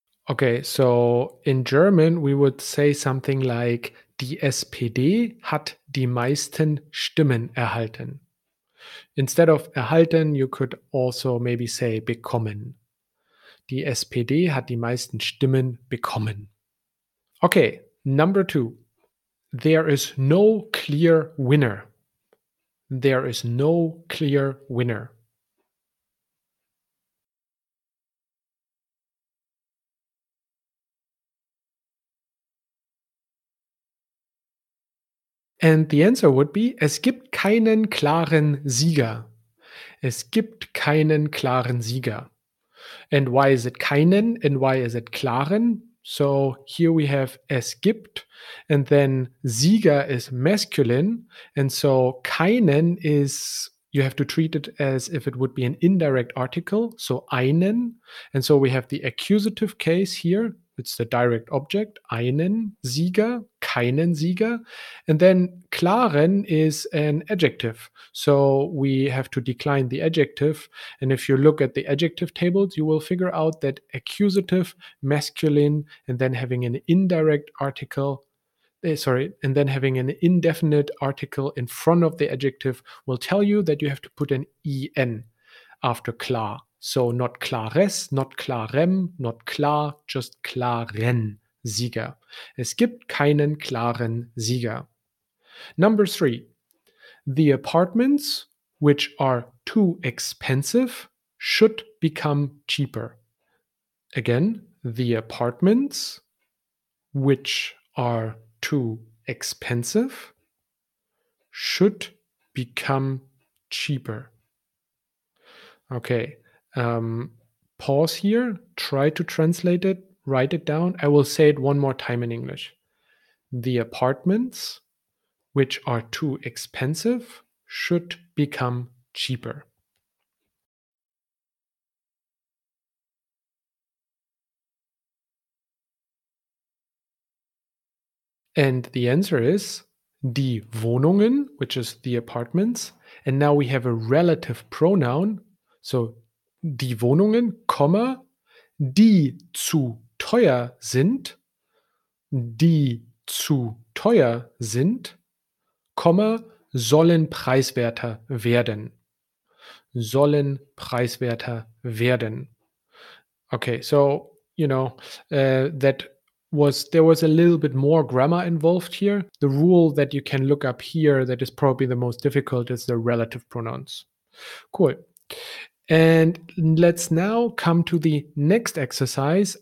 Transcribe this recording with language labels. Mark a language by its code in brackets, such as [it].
[en] Okay, so in German we would say something like, [de] die SPD hat die meisten Stimmen erhalten. [en] Instead of erhalten, you could also maybe say bekommen. [de] Die SPD hat die meisten Stimmen bekommen. [en] Okay, number two. There is no clear winner. There is no clear winner. And the answer would be, [de] es gibt keinen klaren Sieger. Es gibt keinen klaren Sieger. [en] And why is it keinen? And why is it klaren? So here we have [de] es gibt. [en] And then Sieger is masculine. And so keinen is, you have to treat it as if it would be an indirect article. So einen. And so we have the accusative case here. It's the direct object, [de] einen Sieger, keinen Sieger. [en] And then klaren is an adjective. So we have to decline the adjective. And if you look at the adjective tables, you will figure out that accusative, masculine, and then having an indirect article, and then having an indefinite article in front of the adjective will tell you that you have to put an en after klar. So, not Clares, not Clarem, not Klar, just Klaren, Sieger. [de] Es gibt keinen klaren Sieger. [en] Number 3. The apartments, which are too expensive, should become cheaper. Again, the apartments, which are too expensive, should become cheaper. Okay, pause here, try to translate it, write it down. I will say it one more time in English. The apartments, which are too expensive, should become cheaper. And the answer is die Wohnungen, which is the apartments. And now we have a relative pronoun. [de] So die Wohnungen, comma, die zu teuer sind, die zu teuer sind, comma, sollen preiswerter werden. Sollen preiswerter werden. [en] Okay, so, you know, there was a little bit more grammar involved here. The rule that you can look up here that is probably the most difficult is the relative pronouns. Cool. And let's now come to the next exercise.